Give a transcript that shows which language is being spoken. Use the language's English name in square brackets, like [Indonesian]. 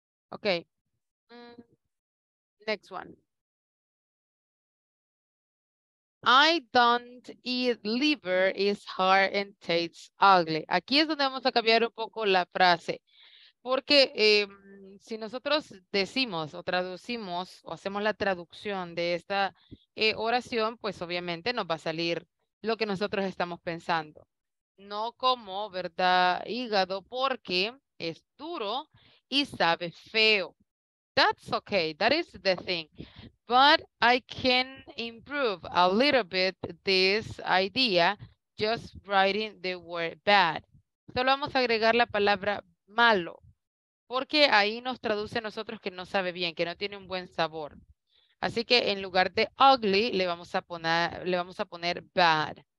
[English] Okay, next one. I don't eat liver, it's hard and tastes ugly. [Spanish] Aquí es donde vamos a cambiar un poco la frase. Porque si nosotros decimos o traducimos o hacemos la traducción de esta oración, pues obviamente nos va a salir lo que nosotros estamos pensando. No como, ¿verdad?, hígado, porque es duro. Y sabe feo. [English] That's okay. That is the thing. But I can improve a little bit this idea just writing the word bad. [Spanish] Solo vamos a agregar la palabra malo. Porque ahí nos traduce a nosotros que no sabe bien, que no tiene un buen sabor. Así que en lugar de ugly, le vamos a poner bad.